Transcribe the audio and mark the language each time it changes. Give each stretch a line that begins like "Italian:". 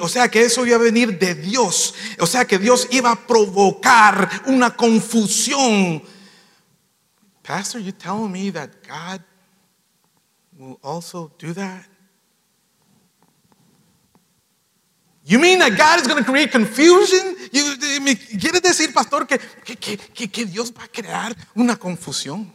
Spanish: O sea, que eso iba a venir de Dios. O sea, que Dios iba a provocar una confusión.
English: Pastor, you're telling me that God will also do that? You mean that God is going to create confusion?
Spanish: ¿Quieres decir, pastor, que Dios va a crear una confusión?